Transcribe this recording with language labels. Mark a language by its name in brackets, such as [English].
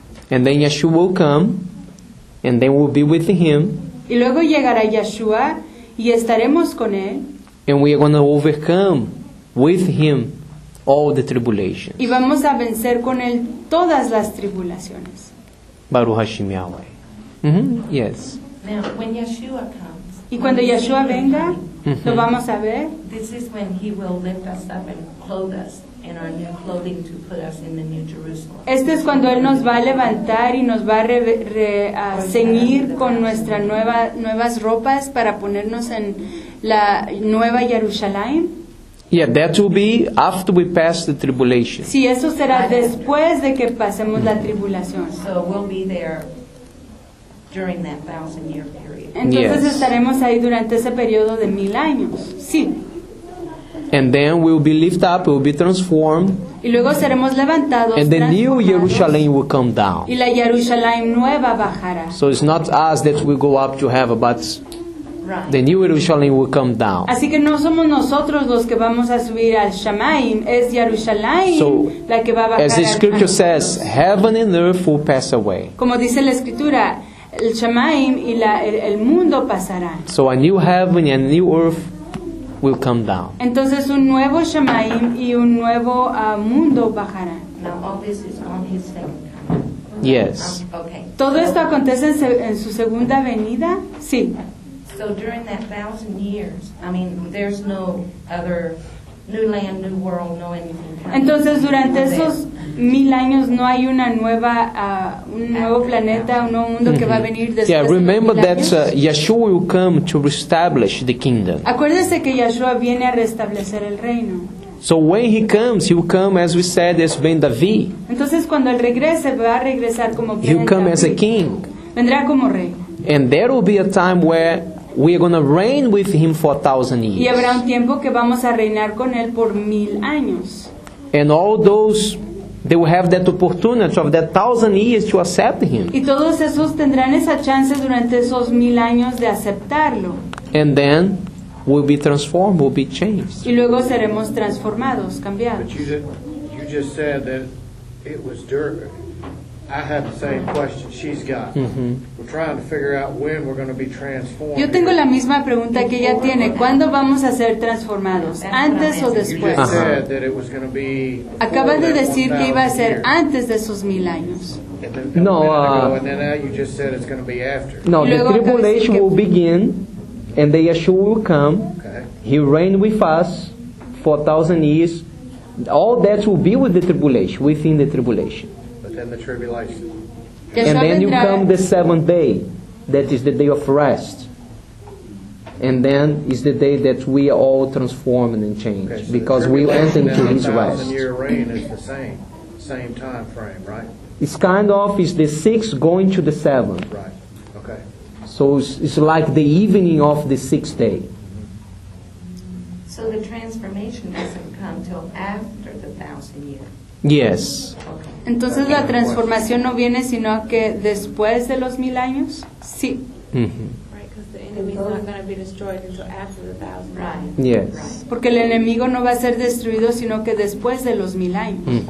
[English] And then Yeshua will come, and then we'll be with him. [Spanish] Y luego llegará Yeshua, y estaremos con él. [English] And we are going to overcome with him all the tribulations. [Spanish] Y vamos a vencer con él todas las tribulaciones. [Hebrew] Baruch Hashem Yahweh. [English] Yes. Now, when Yeshua comes. [Spanish] Y cuando Yeshua venga. Mm-hmm. Lo vamos a ver. [English] This is when he will lift us up and clothe us in our new clothing to put us in the new Jerusalem. [Spanish] Esto es cuando él nos va a levantar y nos va a ceñir con nuestra nuevas ropas para ponernos en la nueva Jerusalén. [English] Yeah, that will be after we pass the tribulation. [Spanish] Sí, eso será después de que pasemos la tribulación. [English] So we'll be there during that 1,000-year period. [Spanish] Entonces [English] yes. [Spanish] Estaremos ahí durante ese periodo de 1,000 años. Sí. [English] And then we'll be lifted up, we'll be transformed. [Spanish] Y luego seremos levantados. [English] And the new Jerusalem will come down. [Spanish] Y la Jerusalén nueva bajará. [English] So it's not us that we go up to heaven, but the new Jerusalem will come down. [Spanish] Así que no somos nosotros los que vamos a subir al Shamayim, es Jerusalén la que va a bajar. [English] As the scripture says, heaven and earth will pass away. [Spanish] Como dice la escritura, el Shamayim y el mundo pasarán. [English] So a new heaven and a new earth will come down. [Spanish] Entonces un nuevo Shamayim y un nuevo mundo bajarán. [English] Now all this is on his second coming. Yes. Okay. [Spanish] Todo esto acontece en su segunda venida. Sí. [English] So during that 1,000 years, I mean, there's no other new land, new world, no anything. [Spanish] Entonces durante esos 1,000 años no hay una nueva un nuevo planeta, un nuevo mundo que va a venir después. [English] Yeah, remember that Yeshua will come to reestablish the kingdom. [Spanish] Acuérdese que Yeshua viene a restablecer el reino. [English] So when he will come, as we said, as Ben David. [Spanish] Entonces cuando él regrese va a regresar como Ben [English] David. He'll come as a king. [Spanish] Vendrá como rey. [English] And there will be a time where we are going to reign with him for 1,000 years. [Spanish] Y habrá un tiempo que vamos a reinar con él por 1,000 años. [English] And all those, they will have that opportunity of that 1,000 years to accept him. [Spanish] Y todos esos tendrán esa chance durante esos 1,000 años de aceptarlo. [English] And then we'll be transformed, we'll be changed. [Spanish] Y luego seremos transformados, cambiados. [English] But you just said that it was dirt. I have the same question she's got. Mm-hmm. We're trying to figure out when we're going to be transformed. [Spanish] Yo tengo la misma pregunta que ella tiene. ¿Cuándo vamos a ser transformados? ¿Antes o después? [English] You just said that it was going to be. [Spanish] Acabas de decir que iba a ser antes de esos 1,000 años. [English] No. And then you just said it's going to be after. No, the tribulation will begin, and the Yeshua will come. Okay. He'll reign with us for 1,000 years. All that will be with the tribulation, within the tribulation. And then you come the seventh day, that is the day of rest. And then is the day that we are all transformed and changed. Okay, so because we enter into his rest. The 1,000-year reign is the same time frame, right? It's kind of is the sixth going to the seventh. Right. Okay. So it's like the evening of the sixth day. So the transformation doesn't come till after the 1,000 years. Yes. [Spanish] Entonces la transformación no viene sino que después de los 1,000 años. Sí. [English] Right, because the enemy is not going to be destroyed until after the 1,000. Right. Yes. Right. [Spanish] Porque el enemigo no va a ser destruido sino que después de los 1,000 años.